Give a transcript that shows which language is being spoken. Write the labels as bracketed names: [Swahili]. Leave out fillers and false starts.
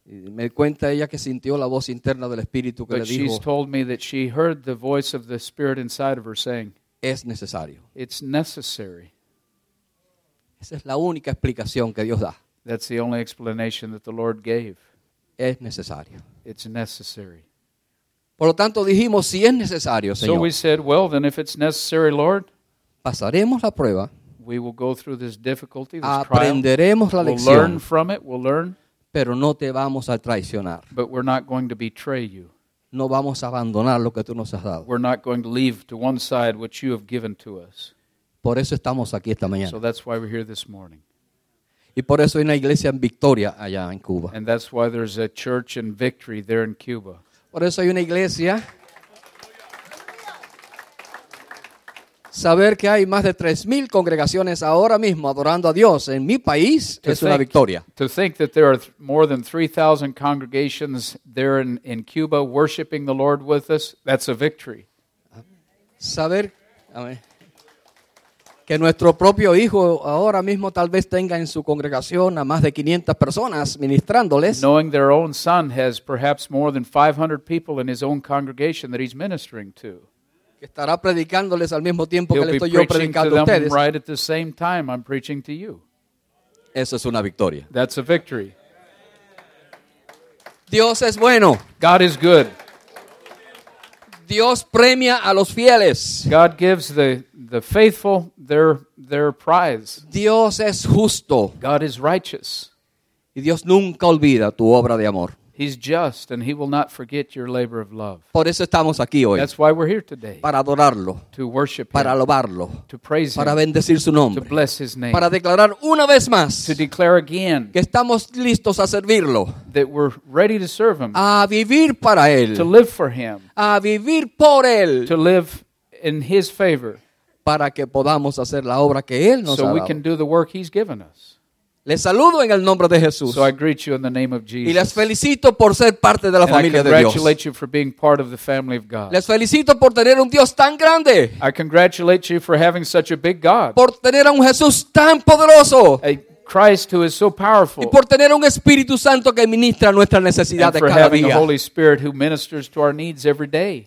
[Spanish] Y me cuenta ella que sintió la voz interna del Espíritu que [English] but [Spanish] le dijo. [English] But she's told me that she heard the voice of the Spirit inside of her saying, [Spanish] es necesario. [English] It's necessary. [Spanish] Esa es la única explicación que Dios da. [English] That's the only explanation that the Lord gave. [Spanish] Es necesario. [English] It's necessary. [Spanish] Por lo tanto, dijimos, si es necesario, Señor. [English] So we said, well, then if it's necessary, Lord, [Spanish] pasaremos la prueba. [English] We will go through this difficulty, this [Spanish] aprenderemos [English] trial. [Spanish] La lección. [English] We'll learn from it, we'll learn. [Spanish] Pero no te vamos a traicionar. [English] But we're not going to betray you. [Spanish] No vamos a abandonar lo que tú nos has dado. [English] We're not going to leave to one side what you have given to us. [Spanish] Por eso estamos aquí esta mañana. [English] So that's why we're here this morning. [Spanish] Y por eso hay una iglesia en Victoria allá en Cuba. [English] And that's why there's a church in Victory there in Cuba. [Spanish] Por eso hay una iglesia. Saber que hay más de 3,000 congregaciones ahora mismo adorando a Dios en mi país es una victoria. [English] To think that there are more than 3,000 congregations there in Cuba worshiping the Lord with us, that's a victory. [Spanish] Saber, amén. Que nuestro propio hijo ahora mismo tal vez tenga en su congregación a más de 500 personas ministrándoles. [English] Knowing their own son has perhaps more than 500 people in his own congregation that he's ministering to. [Spanish] que estará predicándoles al mismo tiempo que le estoy yo predicando a ustedes. [English] Right at the same time I'm preaching to you. [Spanish] Eso es una victoria. [English] That's a victory. [Spanish] Dios es bueno. [English] God is good. [Spanish] Dios premia a los fieles. [English] God gives the faithful their prize. [Spanish] Dios es justo. [English] God is righteous. [Spanish] Y Dios nunca olvida tu obra de amor. [English] He's just and he will not forget your labor of love. [Spanish] Por eso estamos aquí hoy. [English] That's why we're here today. [Spanish] Para adorarlo. [English] To worship him. [Spanish] Para alabarlo. [English] To praise him. [Spanish] Para bendecir su nombre. [English] To bless his name. [Spanish] Para declarar una vez más. [English] To declare again. [Spanish] Que estamos listos a servirlo. [English] That we're ready to serve him. [Spanish] A vivir para él. [English] To live for him. [Spanish] A vivir por él. [English] To live in his favor. [Spanish] Para que podamos hacer la obra que él nos ha dado. [English] So we can do the work he's given us. [Spanish] Les saludo en el nombre de Jesús. [English] So I greet you in the name of Jesus. [Spanish] Y les felicito por ser parte de la familia de Dios. [English] I congratulate you for being part of the family of God. [Spanish] Les felicito por tener un Dios tan grande. [English] I congratulate you for having such a big God. [Spanish] Por tener a un Jesús tan poderoso. [English] A Christ who is so powerful. [Spanish] Y por tener un Espíritu Santo que ministra nuestras necesidades cada día. [English] And for having a Holy Spirit who ministers to our needs every day.